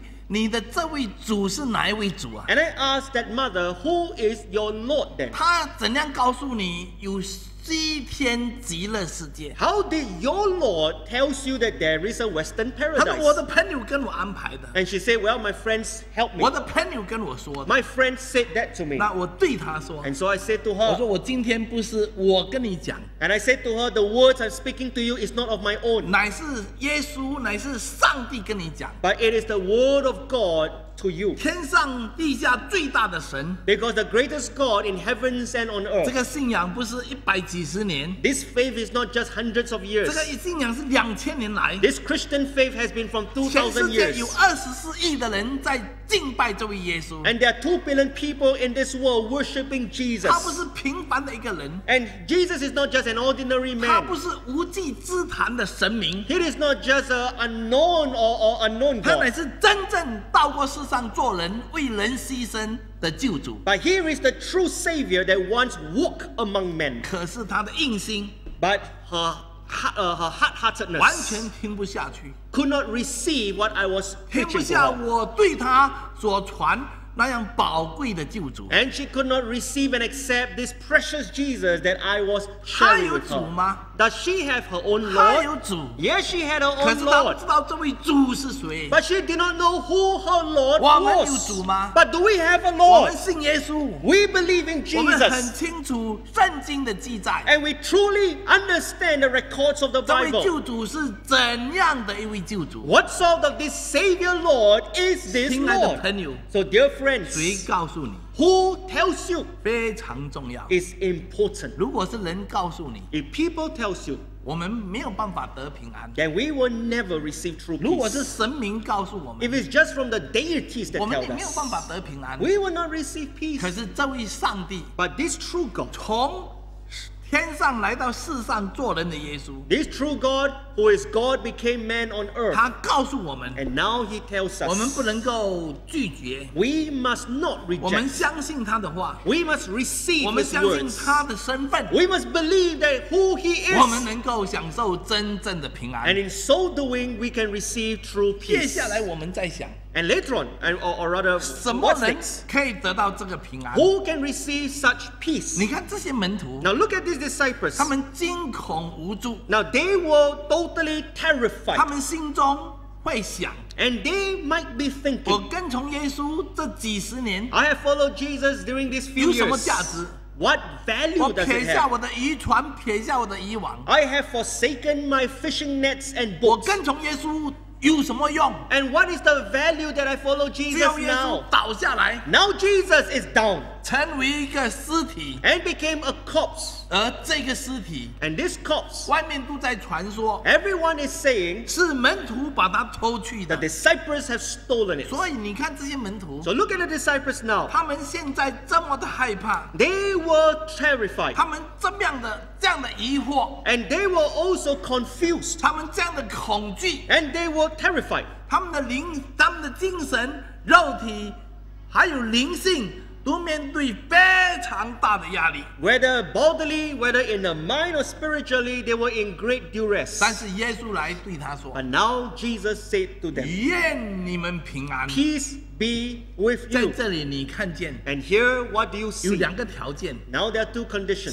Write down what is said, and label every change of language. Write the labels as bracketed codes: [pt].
[zh] 你的这位主是哪一位主啊？ [en] And I asked that mother, who is your Lord then? [zh] 他怎样告诉你有西天极乐世界？ [en] How did your Lord tells you that there is a Western paradise? [zh] 他说我的朋友跟我安排的。 [en] And she said, well, my friends help me. [zh] 我的朋友跟我说的。 [en] My friend said that to me. [zh] 那我对他说。 [en] And so I said to her, [zh] 我说我今天不是我跟你讲。 [en] And I said to her, the words I'm speaking to you is not of my own. [zh] 乃是耶稣，乃是上帝跟你讲。 [en] But it is the word of God to you. [zh] 天上地下最大的神。 [en] Because the greatest God in heavens and on earth. [zh] 这个信仰不是一百几十年。 [en] This faith is not just hundreds of years. [zh] 这个信仰是两千年来。 [en] This Christian faith has been from 2,000 years. [zh] 全世界有24亿的人在敬拜这位耶稣。 [en] And there are 2 billion people in this world worshiping Jesus. [zh] 他不是平凡的一个人。 [en] And Jesus is not just an ordinary man. [zh] 他不是无稽之谈的神明。 [en] He is not just an unknown or unknown God. [zh] 他乃是真正到过世上做人，为人牺牲的救主。 [en] But here is the true Savior that once walked among men. [zh] 可是他的硬心。 [en] But her hard-heartedness [zh] 完全听不下去。 [en] Could not receive what I was preaching to her. [zh] 听不下我对他所传那样宝贵的救主。 [en] And she could not receive and accept this precious Jesus that I was sharing with her. [zh] 她有主吗？ [en] Does she have her own Lord? [zh] 她有主。 [en] Yes, she had her own Lord. [zh] 可是她不知道这位主是谁。 [en] But she did not know who her Lord was. [zh] 我们有主吗？ [en] But do we have a Lord? [zh] 我们信耶稣。 [en] We believe in Jesus. [zh] 我们很清楚圣经的记载。 [en] And we truly understand the records of the Bible. [zh] 这位救主是怎样的一位救主？ [en] What sort of this Savior Lord is this Lord? [zh] 亲爱的朋友， [en] so dear friend, [zh] 谁告诉你？ [en] Who tells you? [zh] 非常重要。 [en] It's important. [zh] 如果是人告诉你， [en] If people tells you, [zh] 我们没有办法得平安， [en] then we will never receive true peace. [zh] 如果是神明告诉我们， [en] If it's just from the deities that tell us, [zh] 我们也没有办法得平安， [en] we will not receive peace. [zh] 可是这位上帝， [en] But this true God, [zh] 从天上来到世上做人的耶稣， [en] this true God, who is God, became man on earth. [zh] 他告诉我们， [en] and now he tells us, [zh] 我们不能够拒绝， [en] we must not reject. [zh] 我们相信他的话， [en] we must receive his words. [zh] 我们相信他的身份， [en] we must believe that who he is. [zh] 我们能够享受真正的平安， [en] and in so doing, we can receive true peace. [zh] 接下来我们再想， [en] and later on, or rather, [zh] 什么人可以得到这个平安？ [en] Who can receive such peace? [zh] 你看这些门徒， [en] now look at these disciples. [zh] 他们惊恐无助， [en] now they were totally terrified. [zh] 他们心中会想， [en] and they might be thinking, [zh] 我跟从耶稣这几十年， [en] I have followed Jesus during these few years, [zh] 有什么价值？ [en] What value does it have? [zh] 我撇下我的渔船，撇下我的渔网， [en] I have forsaken my fishing nets and boats. [zh] 我跟从耶稣有什么用? [en] And what is the value that I follow Jesus now? [zh] 只要耶稣倒下来, [en] now Jesus is down. [zh] 成为一个尸体, [en] and became a corpse. [zh] 而这个尸体, [en] and this corpse, [zh] 外面都在传说, [en] everyone is saying, [zh] 是门徒把它偷去的, [en] the disciples have stolen it. [zh] 所以你看这些门徒, [en] so look at the disciples now. [zh] 他们现在这么的害怕, [en] they were terrified. [zh] 他们这么样的, 这样的疑惑, [en] and they were also confused. [zh] 他们这样的恐惧, [en] and they were terrified. [zh] 他们的灵, 他们的精神, 肉体, 还有灵性, 都面对非常大的压力, [en] whether bodily, whether in the mind or spiritually, they were in great duress. [zh] 但是耶稣来对他说, [en] but now Jesus said to them, [zh] 愿你们平安, [en] peace be with you. [zh] 在这里你看见, [en] and here, what do you see? [zh] 有两个条件, [en] now there are two conditions.